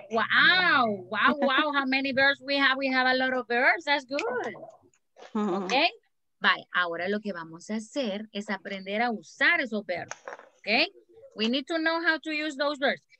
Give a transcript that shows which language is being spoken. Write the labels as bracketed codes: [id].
[en] Wow, how many birds we have. We have a lot of birds, that's good. Okay, bye. [es] Ahora lo que vamos a hacer es aprender a usar esos verbs. [en] Okay, we need to know how to use those verbs.